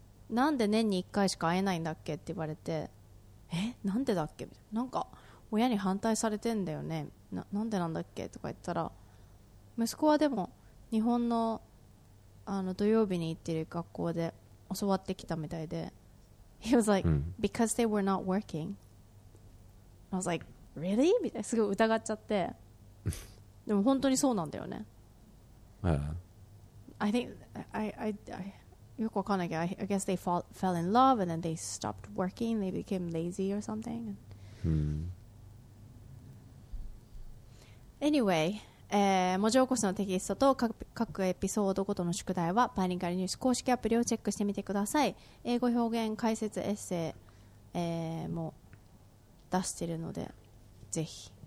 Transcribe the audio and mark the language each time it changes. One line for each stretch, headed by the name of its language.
Japanese: なんで年に1回しか会えないんだっけって言われて、え、なんでだっけ、なんか親に反対されてんだよね、 なんでなんだっけとか言ったら、息子はでも日本 の, あの土曜日に行ってる学校で教わってきたみたいで、
English: He was like、Because they were not working. I was like, really?
Japanese: みたいな、すごい疑っちゃって。でも本当にそうなんだよね。
English: I think I
Japanese: よくわかんないけど、
English: I guess they fell in love and then they stopped working, they became lazy or something.
Japanese: Anyway, 文字起こしのテキストと 各エピソードごとの宿題はバイリンガルニュース公式アプリをチェックしてみてください。英語表現解説エッセイ、も出しているのでぜひ。